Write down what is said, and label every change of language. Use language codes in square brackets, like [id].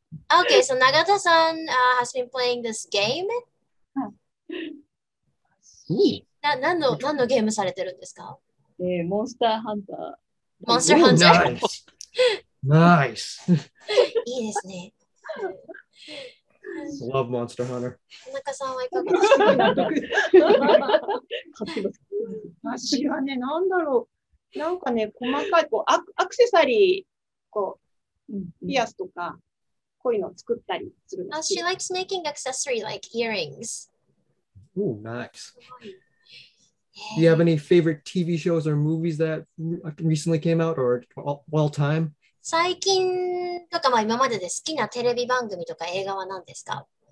[en] Okay, so Nagata さん has been playing this game. [ja] なんのゲームされてるんですか。モンスターハンター。モンスターハンター。ナイス。ナイス。いいですね。 [en] Love Monster Hunter。 [ja] 田中さんはいかがですか。私はね、なんだろう。なんかね、細かいこうアクセサリーこうピアスとかこういうのを作ったりする。 [en] Oh, she likes making accessory like earrings. Oh, nice. Do you have any favorite TV shows or movies that recently came out or all time? [ja] 最近とか今までで好きなテレビ番組とか映画は何ですか。